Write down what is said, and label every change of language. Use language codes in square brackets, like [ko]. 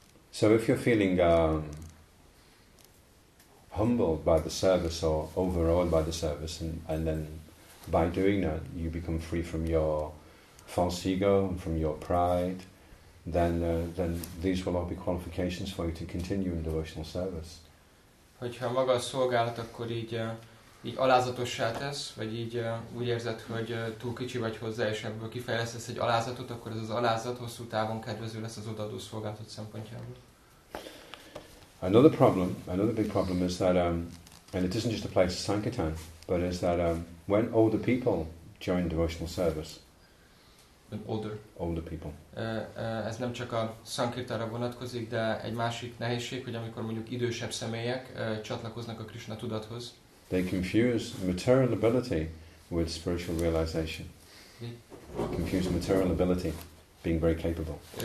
[en] So if you're feeling humbled by the service or overawed by the service, and then by doing that you become free from your false ego and from your pride, then these will all be qualifications for you to continue in devotional service. [hu] Hogyha maga a szolgálat, akkor így alázatossá tesz, vagy így úgy érzed, hogy túl kicsi vagy hozzá, és ebből kifejlesztesz egy alázatot, akkor ez az alázat hosszú távon kedvező lesz az odaadó szolgálatot szempontjából. [en] Another big problem is that, and it doesn't just apply to Sankirtan, but is that when older people join devotional service, when older people, [hu] ez nem csak a Sankirtanra vonatkozik, de egy másik nehézség, hogy amikor mondjuk idősebb személyek csatlakoznak a Krishna tudathoz, [en] they confuse material ability with spiritual realization. Confuse material ability, being very capable.